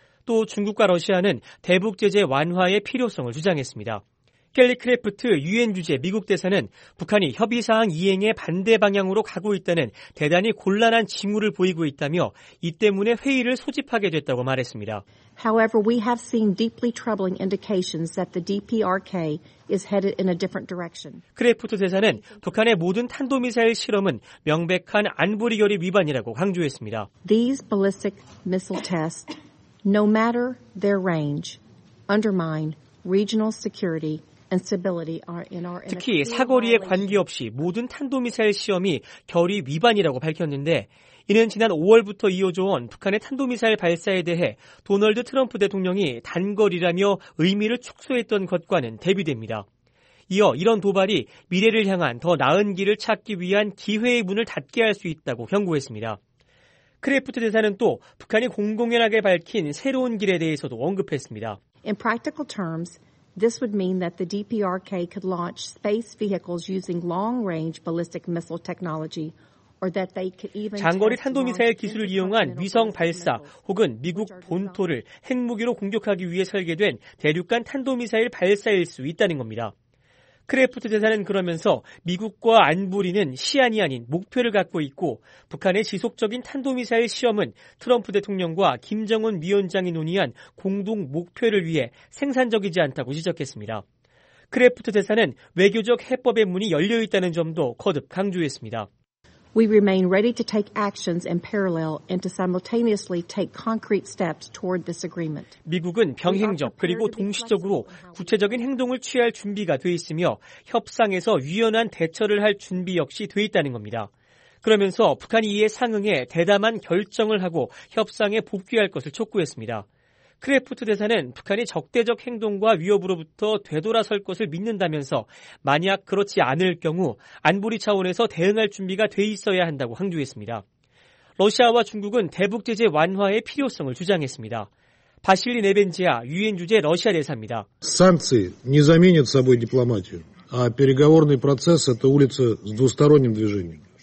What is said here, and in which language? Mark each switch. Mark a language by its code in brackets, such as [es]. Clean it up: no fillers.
[ko] 또 중국과 러시아는 대북 제재 완화의 필요성을 주장했습니다. 켈리 크래프트 유엔 주재 미국 대사는 북한이 협의사항 이행의 반대 방향으로 가고 있다는 대단히 곤란한 징후를 보이고 있다며 이 때문에 회의를 소집하게 됐다고 말했습니다. [en] However, we have seen deeply troubling indications that the DPRK is headed in a different direction. [ko] 크래프트 대사는 북한의 모든 탄도미사일 실험은 명백한 안보리 결의 위반이라고 강조했습니다. [en] These ballistic missile tests, no matter their range, undermine regional security and stability are in our [ko] 특히 사거리에 관계없이 모든 탄도미사일 시험이 결의 위반이라고 밝혔는데 이는 지난 5월부터 이어져온 북한의 탄도미사일 발사에 대해 도널드 트럼프 대통령이 단거리라며 의미를 축소했던 것과는 대비됩니다. 이어 이런 도발이 미래를 향한 더 나은 길을 찾기 위한 기회의 문을 닫게 할 수 있다고 경고했습니다. 크래프트 대사는 또 북한이 공공연하게 밝힌 새로운 길에 대해서도 언급했습니다. [en] In practical terms, this would mean that the DPRK could launch space vehicles using long-range ballistic missile technology or that they could even [ko] 장거리 탄도미사일 기술을 이용한 위성 발사 혹은 미국 본토를 핵무기로 공격하기 위해 설계된 대륙간 탄도미사일 발사일 수 있다는 겁니다. 크래프트 대사는 그러면서 미국과 안보리는 시안이 아닌 목표를 갖고 있고 북한의 지속적인 탄도미사일 시험은 트럼프 대통령과 김정은 위원장이 논의한 공동 목표를 위해 생산적이지 않다고 지적했습니다. 크래프트 대사는 외교적 해법의 문이 열려있다는 점도 거듭 강조했습니다. [en] We remain ready to take actions in parallel and to simultaneously take concrete steps toward this agreement. [ko] 미국은 병행적 그리고 동시적으로 구체적인 행동을 취할 준비가 돼 있으며 협상에서 유연한 대처를 할 준비 역시 돼 있다는 겁니다. 그러면서 북한이 이에 상응해 대담한 결정을 하고 협상에 복귀할 것을 촉구했습니다. 크래프트 대사는 북한이 적대적 행동과 위협으로부터 되돌아설 것을 믿는다면서 만약 그렇지 않을 경우 안보리 차원에서 대응할 준비가 돼 있어야 한다고 강조했습니다. 러시아와 중국은 대북 제재 완화의 필요성을 주장했습니다. 바실리 네벤지아 유엔 주재 러시아 대사입니다. [ru] Санкции не заменят собой дипломатию, а переговорный процесс это улица с двусторонним движением.